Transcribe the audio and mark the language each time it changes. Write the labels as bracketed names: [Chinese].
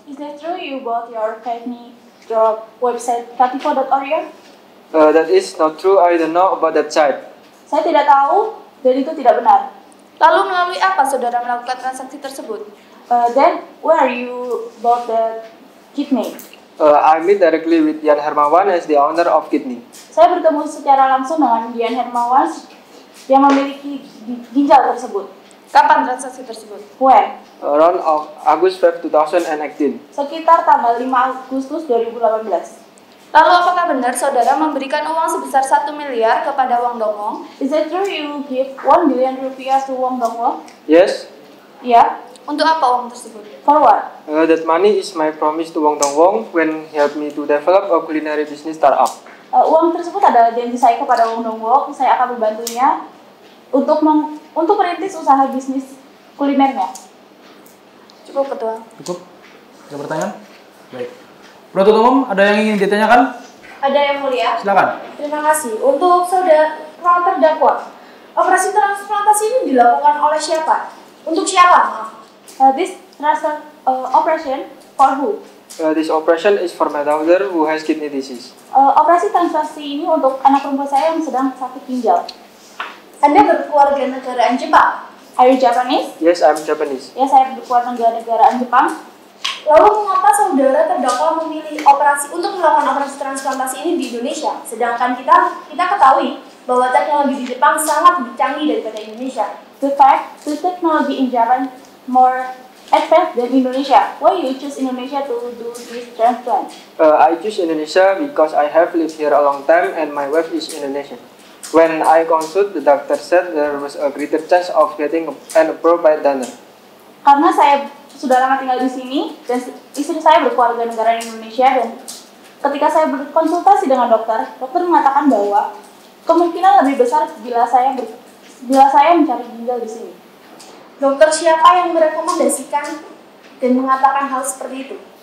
[English] Is that true you bought your kidney through website kativo.orion? That is not true. I don't know about that site. [Indonesian] Saya tidak tahu dan itu tidak benar. Lalu melalui apa saudara melakukan transaksi tersebut? [English] Then where you bought the kidney? I meet directly with Dian Hermawan as the owner of kidney. [Indonesian] Saya bertemu secara langsung dengan Dian Hermawan yang memiliki ginjal tersebut. Kapan transaksi tersebut? [English] When? Around August 5, 2018. [Indonesian] Sekitar tanggal 5 Agustus 2018. Lalu apakah benar saudara memberikan uang sebesar 1 miliar kepada Wang Donghong? [English] Is it true you give 1 billion rupiah to Wang Donghong? Yes. [Indonesian] Ya. [English] Yeah. [Indonesian] Untuk apa uang tersebut? [English] For what? That money is my promise to Wang Donghong when he helped me to develop a culinary business startup. [Indonesian] Uang tersebut adalah janji saya kepada Wang Donghong. Saya akan membantunya untuk merintis usaha bisnis kulinernya. Cukup, Ketua. Cukup. Ada pertanyaan? Baik. Penuntut umum, ada yang ingin ditanyakan? Ada, Yang Mulia. Silakan. Terima kasih. Untuk saudara terdakwa, operasi transplantasi ini dilakukan oleh siapa? Untuk siapa? [English] This transfer operation for who? This operation is for my daughter who has kidney disease. [Indonesian] Operasi transplantasi ini untuk anak perempuan saya yang sedang sakit ginjal. Anda berkeluarga negaraan Jepang? [English] Are you Japanese? Yes, I'm Japanese. [Indonesian] Ya, saya berkeluarga negaraan Jepang. Lalu mengapa saudara terdakwa memilih melakukan operasi transplantasi ini di Indonesia? Sedangkan kita ketahui bahwa teknologi di Jepang sangat lebih canggih daripada Indonesia. [English] The fact, the technology in Japan more advanced than Indonesia. Why you choose Indonesia to do this transplant? I choose Indonesia because I have lived here a long time and my wife is Indonesian. When I consulted, the doctor said there was a greater chance of getting an appropriate donor. [Indonesian] Karena saya sudah lama tinggal di sini dan istri saya berkeluarga negara Indonesia dan ketika saya berkonsultasi dengan dokter, dokter mengatakan bahwa kemungkinan lebih besar bila saya mencari ginjal di sini. Dokter siapa yang merekomendasikan dan mengatakan hal seperti itu?